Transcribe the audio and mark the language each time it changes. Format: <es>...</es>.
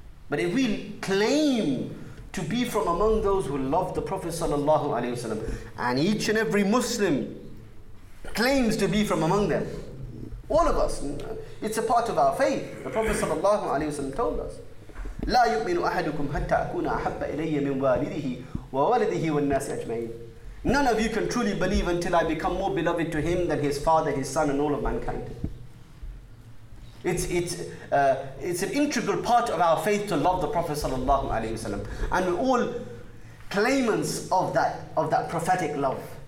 <en>But if we claim to be from among those who love the Prophet sallallahu alaihi wasallam, and each and every Muslim claims to be from among them, all of us, it's a part of our faith. The Prophet</en> <ar>sallallahu alaihi wasallam</ar> <en>told us,</en> <ar>لا يؤمن أحدكم حتى أكون أحب إلي من والده ووالده والناس أجمعين.</ar> <en>None of you can truly believe until I become more beloved to him than his father, his son, and all of mankind. It's an integral part of our faith to love the Prophet sallallahu alaihi wasallam, and we're all claimants of that prophetic love.</en>